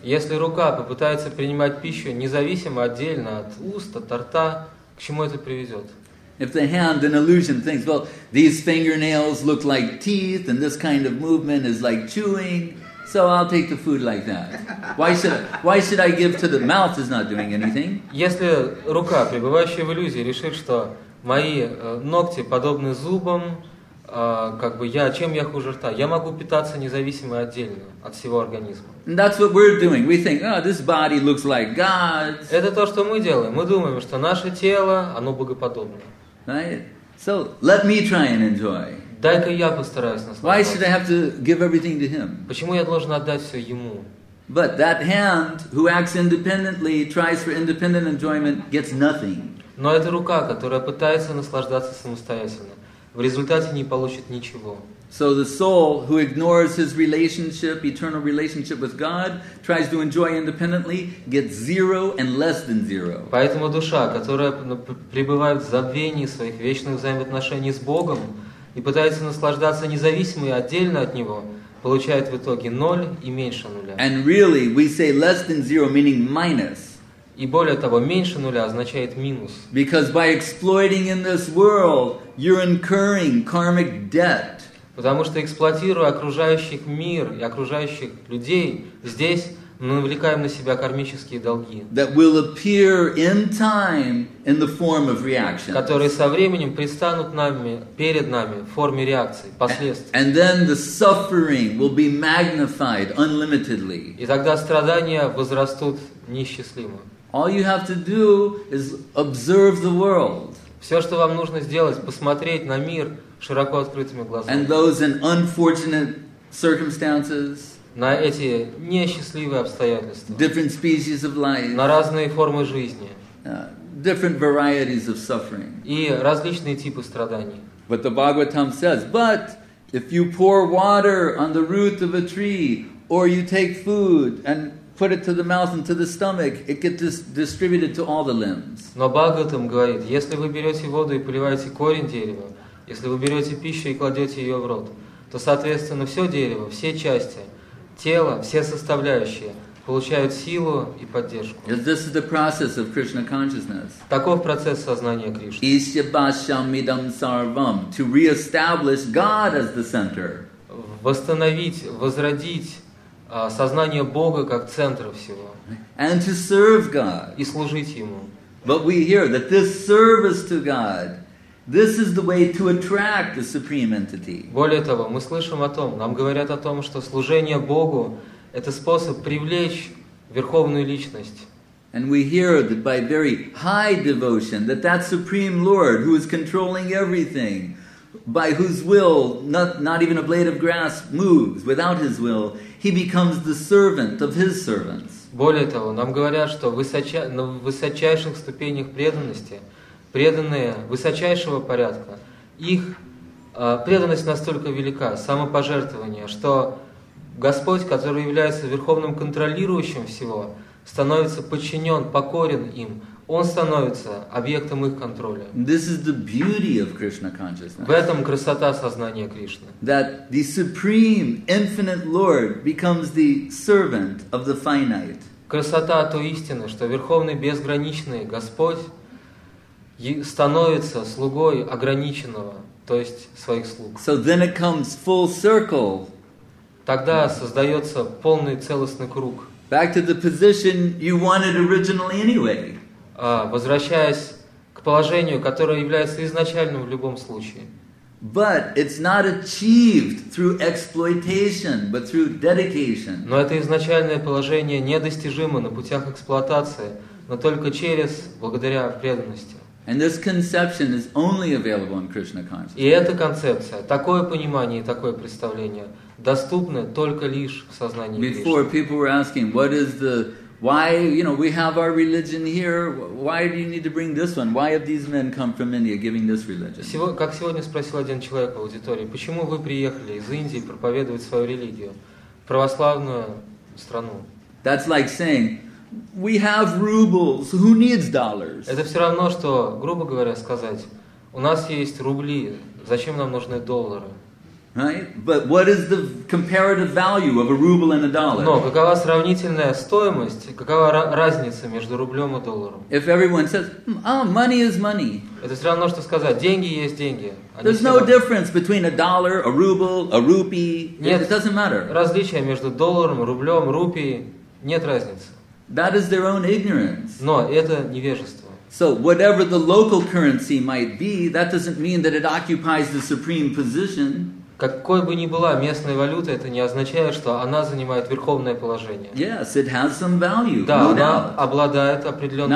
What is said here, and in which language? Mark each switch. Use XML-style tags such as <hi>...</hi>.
<ru>Если рука попытается принимать пищу независимо отдельно от уст, от рта, к чему это приведет?</ru> <en>If the hand, an illusion, thinks, well, these fingernails look like teeth, and this kind of movement is like chewing. So I'll take the food like that. Why should I give to the mouth is not doing anything?</en> <ru>Если рука, пребывающая в иллюзии, решит, что мои ногти подобны зубам, как бы я, чем я хуже рта? Я могу питаться независимо отдельно от всего организма.</ru> <en>And that's what we're doing. We think, oh, this body looks like God's.</en> <ru>Это то, что мы делаем. Мы думаем, что наше тело, оно богоподобно.</ru> <en>Right? So let me try and enjoy.</en> <ru>Дай-ка я постараюсь наслаждаться.</ru> <en>Why should I have to give everything to him?</en> <ru>Почему я должен отдать все ему?</ru> <en>But that hand who acts independently, tries for independent enjoyment, gets nothing.</en> <ru>Но эта рука, которая пытается наслаждаться самостоятельно, в результате не получит ничего.</ru> <en>So the soul who ignores his relationship, eternal relationship with God, tries to enjoy independently, gets zero and less than zero.</en> <ru>Поэтому душа, которая пребывает в забвении своих вечных взаимоотношений с Богом, и пытается наслаждаться независимо и отдельно от него, получает в итоге ноль и меньше нуля.</ru> <en>And really, we say less than zero, meaning minus.</en> <ru>И более того, меньше нуля означает минус.</ru> <en>Because by exploiting in this world, you're incurring karmic debt.</en> <ru>Потому что эксплуатируя окружающих мир и окружающих людей, здесь мы навлекаем на себя кармические долги,</ru> <en>that will appear in time in the form of reactions,</en> <ru>которые со временем предстанут нами, перед нами в форме реакций, последствий.</ru> <en>And then the suffering will be magnified unlimitedly.</en> <ru>И тогда страдания возрастут неисчислимо.</ru> <en>All you have to do is observe the world.</en> <ru>Все, что вам нужно сделать, посмотреть на мир широко открытыми глазами.</ru> <en>And those in unfortunate circumstances,</en> <ru>на эти несчастливые обстоятельства,</ru> <en>different species of life,</en> <ru>на разные формы жизни,</ru> <en>different varieties of suffering,</en> <ru>и различные типы страданий.</ru> <en>But the Bhagavatam says, but if you pour water on the root of a tree, or you take food and put it to the mouth and to the stomach, it gets distributed to all the limbs.</en> <ru>Но Бхагаватам говорит, если вы берете воду и поливаете корень дерева, если вы берете пищу и кладете ее в рот, то, соответственно, все дерево, все части, тело, все составляющие получают силу и поддержку.</ru> <en>This is the process of Krishna consciousness.</en> <ru>Таков процесс сознания Кришны.</ru> <sa>Isya basham idam sarvam,</sa> <en>to re-establish God as the center.</en> <ru>Восстановить, возродить сознание Бога как центра всего.</ru> <en>And to serve God.</en> <ru>И служить Ему.</ru> <en>But we hear that this service to God, this is the way to attract the supreme entity.</en> <ru>Более того, мы слышим о том, нам говорят о том, что служение Богу — это способ привлечь верховную личность.</ru> <en>And we hear that by very high devotion, that that supreme Lord who is controlling everything, by whose will not even a blade of grass moves without His will, He becomes the servant of His servants.</en> <ru>Более того, нам говорят, что на высочайших ступенях преданности преданные высочайшего порядка, их преданность настолько велика, самопожертвование, что Господь, который является верховным контролирующим всего, становится подчинен, покорен им, Он становится объектом их контроля.</ru> <en>This is the beauty of Krishna consciousness.</en> <ru>В этом красота сознания Кришны.</ru> <en>That the supreme, infinite Lord becomes the servant of the finite.</en> <ru>Красота той истины, что верховный, безграничный Господь становится слугой ограниченного, то есть своих слуг.</ru> <en>So then it comes full circle.</en> <ru>Тогда создается полный целостный круг.</ru> <en>Back to the position you wanted originally anyway.</en> <ru>Возвращаясь к положению, которое является изначальным в любом случае.</ru> <en>But it's not achieved through exploitation, but through dedication.</en> <ru>Но это изначальное положение недостижимо на путях эксплуатации, но только через благодаря преданности.</ru> <en>And this conception is only available in Krishna consciousness.</en> <ru>И эта концепция, такое понимание и такое представление доступны только лишь в сознании Кришны.</ru> <en>Before people were asking, what is the why, you know, we have our religion here. Why do you need to bring this one? Why have these men come from India giving this religion?</en> <ru>Как сегодня спросил один человек в аудитории, почему вы приехали из Индии проповедовать свою религию, православную страну?</ru> <en>That's like saying, we have rubles. Who needs dollars?</en> <ru>Это все равно, что грубо говоря сказать, у нас есть рубли. Зачем нам нужны доллары?</ru> <en>Right? But what is the comparative value of a ruble and a dollar?</en> <ru>Но какова сравнительная стоимость, какова разница между рублем и долларом?</ru> <en>If everyone says, oh, money is money.</en> <ru>Это все равно, что сказать, деньги есть деньги.</ru> <en>There's no difference between a dollar, a ruble, a rupee.</en> <ru>Нет,</ru> <en>it doesn't matter.</en> <ru>Различия между долларом, рублем, рупией нет разницы.</ru> <en>That is their own ignorance.</en> <ru>Но это невежество.</ru> <en>So whatever the local currency might be, that doesn't mean that it occupies the supreme position.</en> <ru>Какой бы ни была местная валюта, это не означает, что она занимает верховное положение.</ru> <en>Yes, it has some value.</en> <ru>Да,</ru> <en>no</en> <ru>она</ru> <en>doubt.</en> <ru>Обладает определенной</ru>